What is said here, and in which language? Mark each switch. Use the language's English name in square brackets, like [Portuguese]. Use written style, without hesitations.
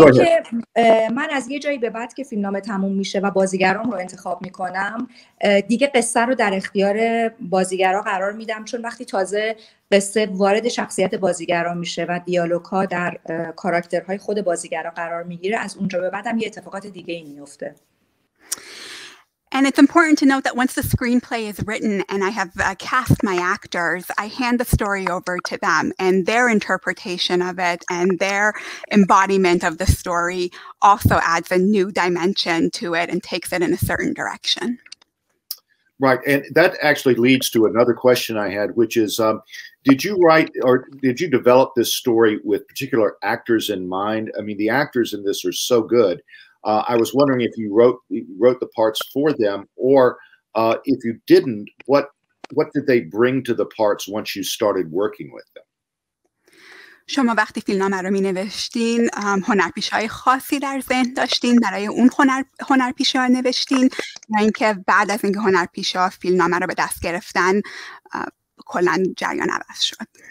[Persian] که من از یه جایی به بعد که فیلمنامه تموم میشه و بازیگران رو انتخاب میکنم دیگه قصه رو در اختیار بازیگرا قرار میدم چون وقتی تازه قصه وارد شخصیت بازیگرا میشه و دیالوگ ها در کاراکترهای خود بازیگرا قرار میگیره از اونجا به بعدم یه اتفاقات دیگه ای میفته. [English] And it's important to note that once the screenplay is written and I have cast my actors, I hand the story over to them and their interpretation of it and their embodiment of the story also adds a new dimension to it and takes it in a certain direction. Right. And that actually leads to another question I had, which is, did you write or did you develop this story with particular actors in mind? I mean, the actors in this are so good. I was wondering if you wrote the parts for them, or if you didn't, what did they bring to the parts once you started working with them? [Persian] شما وقتی فیلمنامه رو می نوشتین هنرپیشه‌های خاصی در ذهن داشتین برای اون هنرپیشه‌ها نوشتین یا اینکه بعد از اینکه هنرپیشه‌ها فیلمنامه رو به دست گرفتن کلا جریان عوض شد